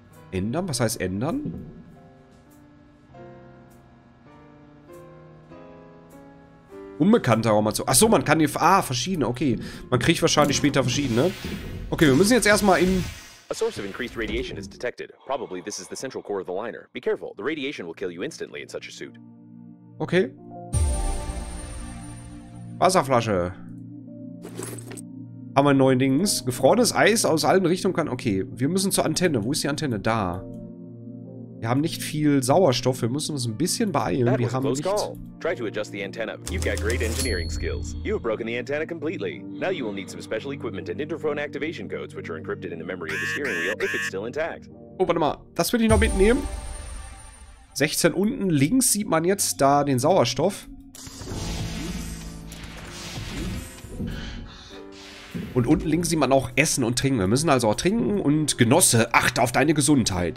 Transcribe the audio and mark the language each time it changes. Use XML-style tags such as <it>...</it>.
<de>Ändern? Was heißt ändern? Unbekannter Raumanzug. Achso, man kann hier... Ah, verschiedene. Okay, man kriegt wahrscheinlich später verschiedene. Okay, wir müssen jetzt erstmal in...</de> <en>A source of increased radiation is detected. Probably this is the central core of the liner. Be careful, the radiation will kill you instantly in such a suit.</en> <de>Okay. Wasserflasche. Haben wir neuen Dings. Gefrorenes Eis aus allen Richtungen kann... Okay, wir müssen zur Antenne. Wo ist die Antenne? Da. Wir haben nicht viel Sauerstoff. Wir müssen uns ein bisschen beeilen. Wir haben nicht... Call.</de> <en>Try to adjust the antenna. You've got great engineering skills. You have broken the antenna completely. Now you will need some special equipment and interphone activation codes, which are encrypted in the memory of the steering wheel, if it's still intact.</en> <de>Oh, warte mal. Das würde ich noch mitnehmen. 16 unten links sieht man jetzt da den Sauerstoff. Und unten links sieht man auch Essen und Trinken. Wir müssen also auch trinken. Und Genosse, achte auf deine Gesundheit.</de>